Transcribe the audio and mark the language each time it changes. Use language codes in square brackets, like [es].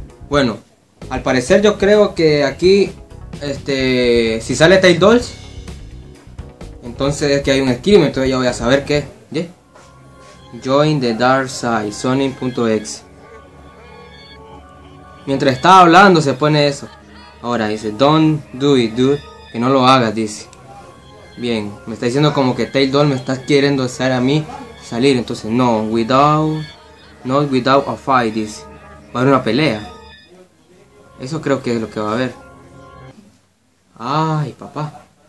[es] Bueno, al parecer yo creo que aquí si sale Tail Dolls, entonces es que hay un screamer, entonces ya voy a saber qué. ¿Yeah? [en] Join the Dark Side, Sonic.exe. [es] Mientras estaba hablando se pone eso. Ahora dice, [en] don't do it, dude. [es] Que no lo hagas, dice. Bien, me está diciendo como que Taildoll me está queriendo hacer a mí salir. Entonces, no, [en] not without a fight, [es] dice. Va a haber una pelea. Eso creo que es lo que va a haber. Ay, papá.